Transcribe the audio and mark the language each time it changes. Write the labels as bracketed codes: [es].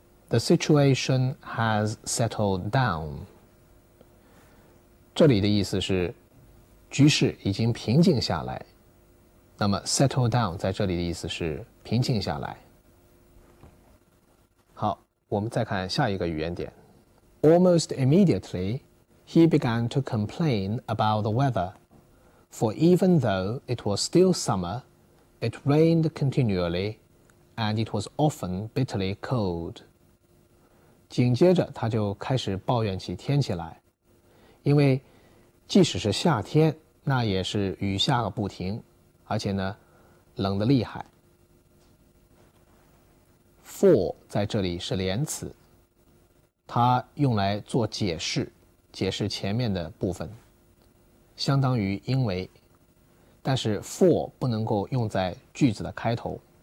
[en] The situation has settled down. [zh] 这里的意思是局势已经平静下来，那么 settle down 在这里的意思是平静下来。好，我们再看下一个语言点。 [en] Almost immediately he began to complain about the weather, for even though it was still summer, it rained continually and it was often bitterly cold. [zh] 紧接着他就开始抱怨起天气来，因为即使是夏天，那也是雨下个不停，而且呢，冷得厉害。 [en] For [zh] 在这里是连词，它用来做解释，解释前面的部分，相当于因为，但是 for 不能够用在句子的开头。